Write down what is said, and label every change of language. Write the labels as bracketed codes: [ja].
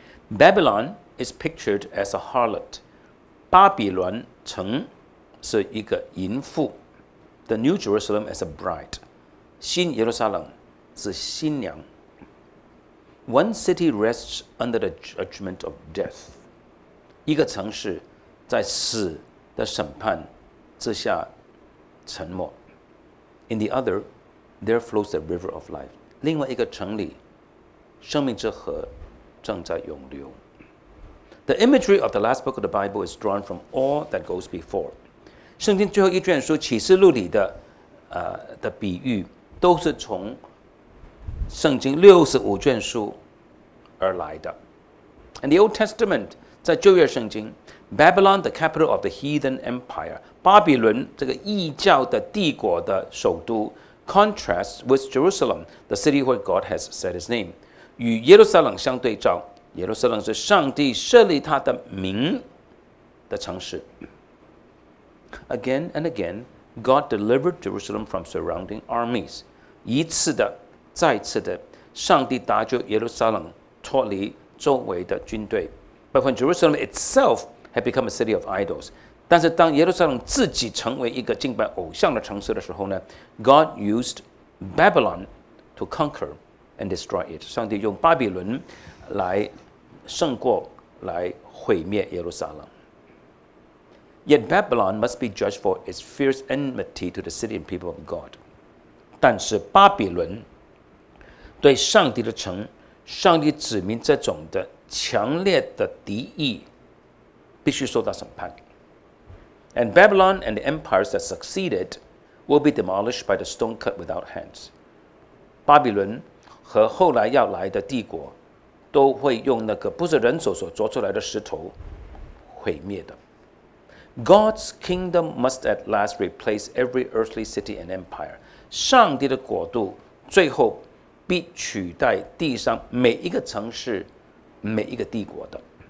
[en] Babylon is pictured as a harlot [zh] 巴比伦城是一个淫妇 [en] The New Jerusalem as a bride [zh] 新耶路撒冷是新娘 [en] One city rests under the judgment of death [zh] 一个城市在死的审判之下沉默 [en] In the other, there flows the river of life. [zh] 另外一个城里，生命之河正在涌流。 [en] The imagery of the last book of the Bible is drawn from all that goes before. [zh] 圣经最后一卷书启示录里的的比喻都是从圣经六十五卷书而来的。 [en] And the Old Testament [zh] 在旧约圣经。 [en] Babylon, the capital of the heathen empire, [zh] 巴比伦这个异教的帝国的首都 [en] contrasts with Jerusalem, the city where God has set his name. [zh] 与耶路撒冷相对照，耶路撒冷是上帝设立他的名的城市。 [en] Again and again, God delivered Jerusalem from surrounding armies. [zh] 一次的，再次的，上帝搭救耶路撒冷脱离周围的军队。 [en] But when Jerusalem itself had become a city of idols. [zh] 但是当耶路撒冷自己成为一个敬拜偶像的城市的时候呢 [en] God used Babylon to conquer and destroy it. [zh] 上帝用巴比伦来胜过来毁灭耶路撒冷。 [en] Yet Babylon must be judged for its fierce enmity to the city and people of God. [zh] 但是巴比伦对上帝的城上帝子民这种的强烈的敌意必须受到审判。 [en] And Babylon and the empires that succeeded will be demolished by the stone cut without hands. [zh] 巴比伦和后来要来的帝国都会用那个不是人手所凿出来的石头毁灭的。 [en] God's kingdom must at last replace every earthly city and empire. [zh] 上帝的国度最后必取代地上每一个城市每一个帝国的。